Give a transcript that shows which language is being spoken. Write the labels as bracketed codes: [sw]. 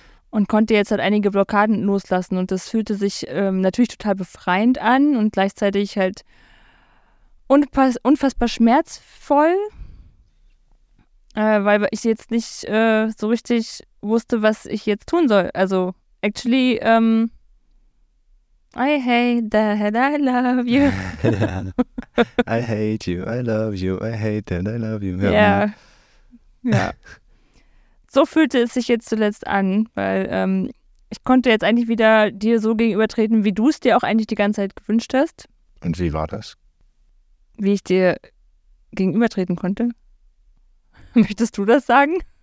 [de] und konnte jetzt halt einige Blockaden loslassen, und das fühlte sich natürlich total befreiend an und gleichzeitig halt unfassbar schmerzvoll, weil ich jetzt nicht so richtig wusste, was ich jetzt tun soll. [en] Also actually, I hate that I love you. I hate you, I love you, I hate that I love you. Yeah. Yeah. [de] So fühlte es sich jetzt zuletzt an, weil ich konnte jetzt eigentlich wieder dir so gegenübertreten, wie du es dir auch eigentlich die ganze Zeit gewünscht hast. Und wie war das? Wie ich dir gegenübertreten konnte? Möchtest du das sagen?